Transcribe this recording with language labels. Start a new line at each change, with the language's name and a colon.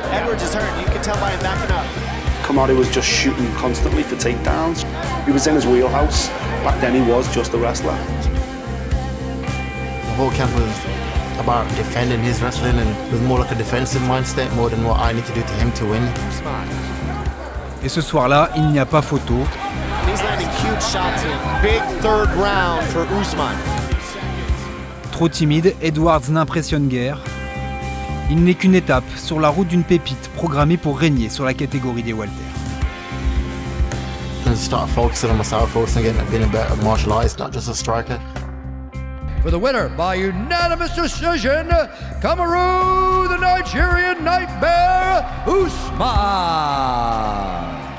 English: Edwards is hurt. You can tell by him backing up. Kamaru was just shooting constantly for takedowns. He was in his wheelhouse. Back then, he was just a wrestler. The whole camp was about defending his wrestling, and it was more like a defensive mindset more than what I need to do to him to win.
French: Et ce soir-là, il n'y a pas photo.
English: He's landing huge shots in. Big third round for Usman.
French: Trop timide, Edwards n'impressionne guère. Il n'est qu'une étape sur la route d'une pépite programmée pour régner sur la catégorie des welter.
English: And start focusing on myself, focusing on being a better martial artist, not just a striker. For the winner by unanimous decision, Kamaru, the Nigerian nightmare, Usman.